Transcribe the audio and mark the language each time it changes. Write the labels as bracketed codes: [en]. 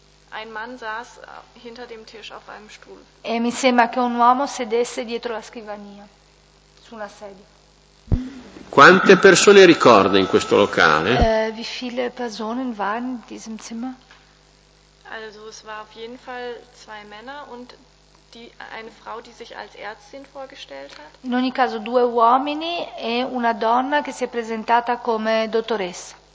[de] Ein Mann saß hinter dem Tisch auf einem Stuhl. [it] E mi sembra che un uomo sedesse dietro la scrivania su una sedia. Quante persone ricorda in questo locale? [de] Wie viele Personen waren in diesem Zimmer? Also es war auf jeden Fall zwei Männer und eine Frau, die sich als Ärztin vorgestellt hat. [it] In ogni caso due uomini e una donna che si è presentata come dottoressa.